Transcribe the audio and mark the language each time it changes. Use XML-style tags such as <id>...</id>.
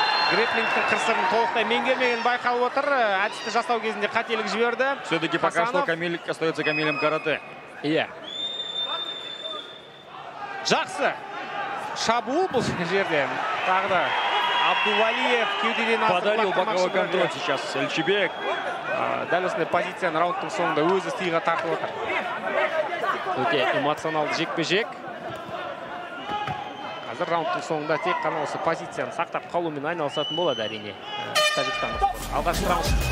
<kk>Греплингтің қырсығын толықтай меңгермеген байқалып отыр. Әдісті жасау кезінде қателік жіберді.</kk> <ru>Все-таки пока что Камиль остается Камилем Карате.</ru> <kk>Иә. Жақсы. Шабуыл бұл жерде. Тағы да Абдувалиев кеудеден асып.</kk> <ru>Подарил боковой контроль сейчас Елшібек.</ru> <kk>Дәл осындай позицияны раундтың соңында өзі сыйға тартып отыр. Өте эмоционалды жекпе-жек. Қазір раундтың соңында тек қана осы позицияны сақтап қалумен айналысатын болады әрине. Алғашқы раунд.</kk>